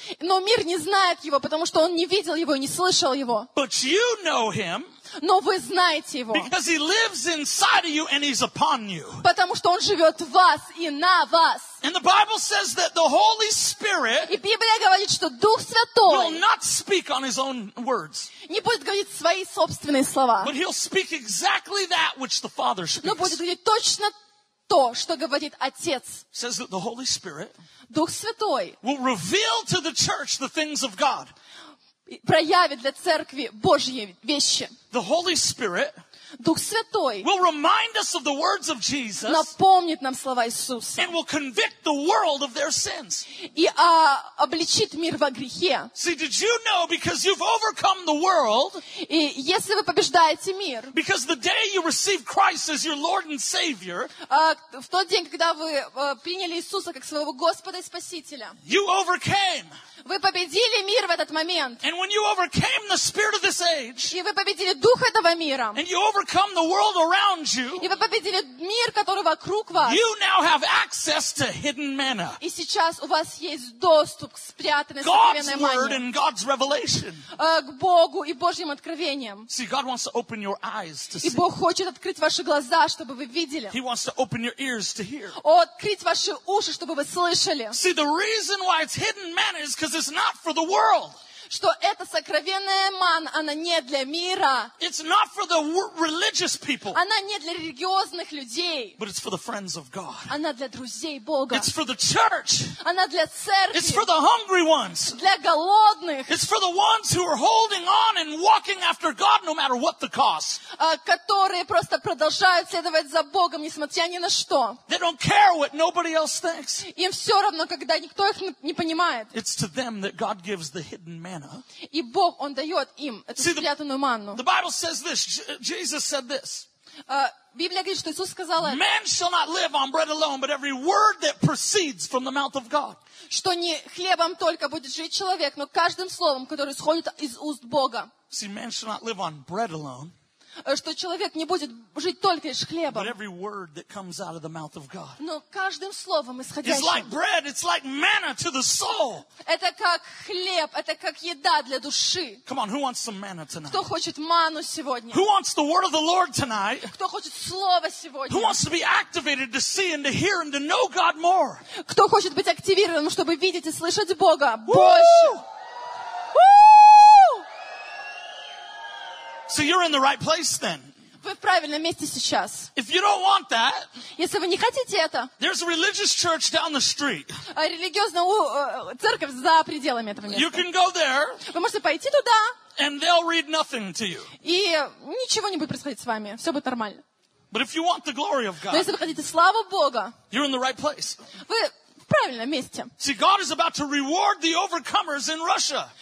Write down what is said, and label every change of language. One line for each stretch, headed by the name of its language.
Russian: Но мир не знает его, потому что он не видел его и не слышал его.
English: But you know Him.
Russian: Но вы знаете его.
English: Because He lives inside of you and He's upon you.
Russian: Потому что он живет в вас и на вас.
English: And the Bible says that the Holy Spirit.
Russian: И Библия говорит, что Дух Святой.
English: Will not speak on His own words.
Russian: Не будет говорить свои собственные слова.
English: But He'll speak exactly that which the Father speaks.
Russian: Но будет говорить точно то, что говорит Отец.
English: Says that the Holy Spirit.
Russian: Дух Святой.
English: Will reveal to the church the things of God.
Russian: Проявит для церкви Божьи вещи.
English: The Holy Spirit.
Russian: Дух Святой.
English: Will remind us of the words of Jesus.
Russian: Напомнит нам слова Иисуса.
English: And will convict the world of their sins.
Russian: И обличит мир во грехе.
English: See, did you know because you've overcome the world?
Russian: И если вы побеждаете мир.
English: Because the day you receive Christ as your Lord and Savior.
Russian: В тот день, когда вы приняли Иисуса как своего Господа и Спасителя.
English: You overcame.
Russian: Вы победили мир в этот момент.
English: And when you overcame the spirit of this age.
Russian: И вы победили дух этого мира.
English: And you overcome the world around you.
Russian: И вы победили мир, который вокруг вас.
English: You now have access to hidden manna.
Russian: И сейчас у вас есть доступ к спрятанной сокровенной манне.
English: God's word and God's revelation.
Russian: К Богу и Божьим откровениям.
English: See, God wants to open your eyes to see.
Russian: И Бог хочет открыть ваши глаза, чтобы вы видели.
English: He wants to open your ears to hear.
Russian: Открыть ваши уши, чтобы вы слышали.
English: See, the reason why it's hidden manna is because it's not for the world.
Russian: Что эта сокровенная манна, она не для мира.
English: It's not for the religious people.
Russian: Она не для религиозных людей.
English: But it's for the friends of God.
Russian: Она для друзей Бога.
English: It's for the church.
Russian: Она для церкви.
English: It's for the hungry ones.
Russian: Для голодных.
English: It's for the ones who are holding on and walking after God, no matter what the cost.
Russian: Которые просто продолжают следовать за Богом, несмотря ни на что.
English: They don't care what nobody else thinks.
Russian: Им все равно, когда никто их не понимает.
English: It's to them that God gives the hidden manna.
Russian: И Бог, Он дает им эту спрятанную манну.
English: The Bible says this. Jesus said this.
Russian: Библия говорит, что Иисус сказал это.
English: Man shall not live on bread alone, but every word that proceeds from the mouth of God.
Russian: Что не хлебом только будет жить человек, но каждым словом, которое исходит из уст Бога.
English: See, man shall not live on bread alone.
Russian: Что человек не будет жить только лишь хлебом. Но каждым словом исходящим. Это как хлеб, это как еда для души. Кто хочет манну сегодня? Кто хочет слово сегодня? Кто хочет быть активированным, чтобы видеть и слышать Бога больше?
English: So you're in the right place then.
Russian: Вы в правильном месте сейчас.
English: If you don't want that,
Russian: если вы не хотите это,
English: there's a religious church down the street.
Russian: Религиозная церковь за пределами этого места.
English: You can go there.
Russian: Вы можете пойти туда.
English: And they'll read nothing to you.
Russian: И ничего не будет происходить с вами. Все будет нормально.
English: But if you want the glory of God,
Russian: но если вы хотите славу Бога,
English: you're in the right place.
Russian: Вы в правильном месте.
English: See, God is about to reward the overcomers in Russia.